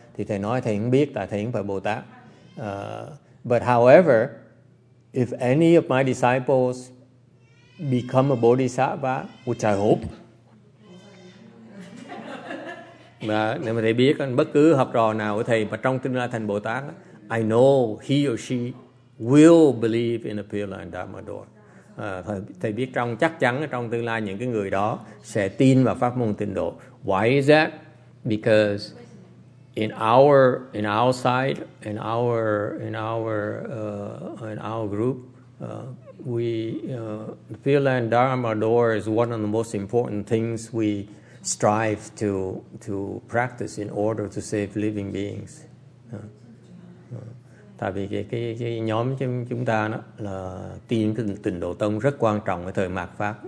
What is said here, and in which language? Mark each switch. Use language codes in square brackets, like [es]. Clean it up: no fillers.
[vi] Thì thầy nói thầy không biết, tại thầy không phải Bồ Tát. [en] But however, if any of my disciples become a bodhisattva, which I hope, [vi] mà nếu mà thầy biết bất cứ học trò nào của thầy mà trong tương lai thành Bồ Tát, [en] I know he or she will believe in the Pure Land Dharma Door. [vi] Thầy biết trong chắc chắn trong tương lai những cái người đó sẽ tin vào pháp môn tịnh độ. [en] Why is that? Because In our group, the Pure Land Dharma Door is one of the most important things we strive to practice in order to save living beings. [vi] Tại vì cái nhóm chúng ta đó là tin tịnh độ tông rất quan trọng ở thời mạt pháp.